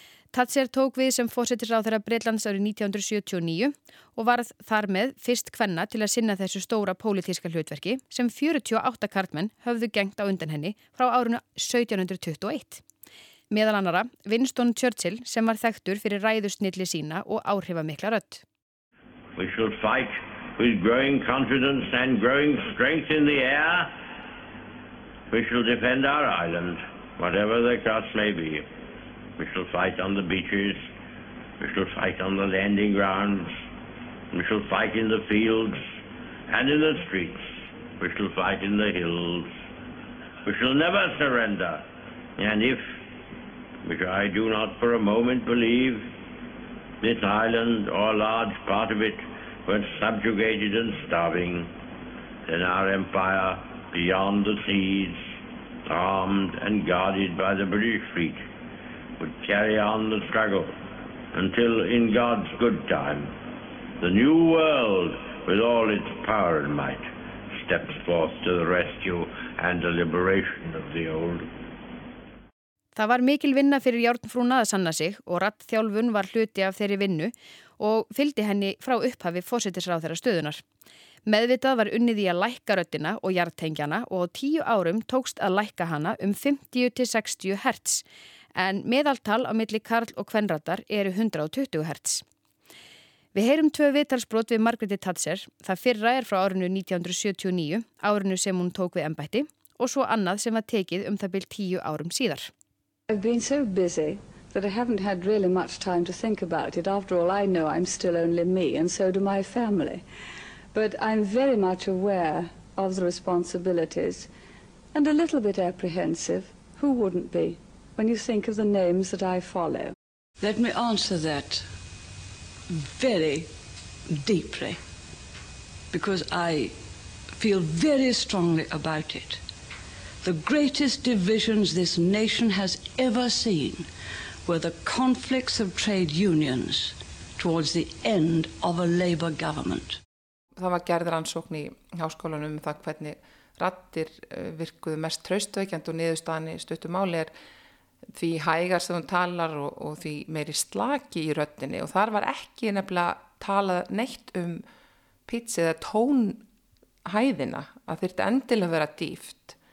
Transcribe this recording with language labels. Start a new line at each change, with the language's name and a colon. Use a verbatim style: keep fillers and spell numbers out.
Icelandic: Thatcher tók við sem forsætisráðherra Bretlands árið nítján hundruð sjötíu og níu og varð þar með fyrst kvenna til að sinna þessu stóra pólitíska hlutverki sem fjörutíu og átta karlmenn höfðu gengt á undan henni frá árinu sautján hundruð tuttugu og eitt. Meðal annara Winston Churchill sem var þekktur fyrir ræðusnilli sína og áhrifamikla rödd.
English: We shall fight with growing confidence and growing strength in the air. We shall defend our island, whatever the cost may be. We shall fight on the beaches. We shall fight on the landing grounds. We shall fight in the fields and in the streets. We shall fight in the hills. We shall never surrender. And if which I do not for a moment believe this island or a large part of it were subjugated and starving, then our empire beyond the seas, armed and guarded by the British fleet, would carry on the struggle until in God's good time the new world with all its power and might steps forth to the rescue and the liberation of the old.
Icelandic: Það var mikil vinna fyrir Járnfrúna að sanna sig og rattþjálfun var hluti af þeirri vinnu og fylgdi henni frá upphafi forsætisráðherra stöðunar. Meðvitað var unnið í að lækka röddina og jartengjana og á tíu árum tókst að lækka hana um fimmtíu til sextíu hertz en meðaltal á milli karl og kvenrattar eru hundrað og tuttugu hertz. Við heyrum tvö viðtalsbrot við Margréti Thatcher, það fyrra er frá árinu nítján hundruð sjötíu og níu, árinu sem hún tók við embætti og svo annað sem var tekið um það bil tíu árum síðar.
English: I've been so busy that I haven't had really much time to think about it. After all, I know I'm still only me, and so do my family. But I'm very much aware of the responsibilities and a little bit apprehensive. Who wouldn't be when you think of the names that I follow? Let me answer that very deeply, because I feel very strongly about it. The greatest divisions this nation has ever seen were the conflicts of trade unions towards the end of a Labour government.
Icelandic: Það var gerð rannsókn í háskólanum um það hvernig raddir virkuðu mest traustveikjandi og niðurstaðan í stuttu máli er því hægar sem hún talar og, og því meiri slaki í röddinni og þar var ekki nefnilega talað neitt um pitch eða tónhæðina að þyrfti endilega vera dýpt.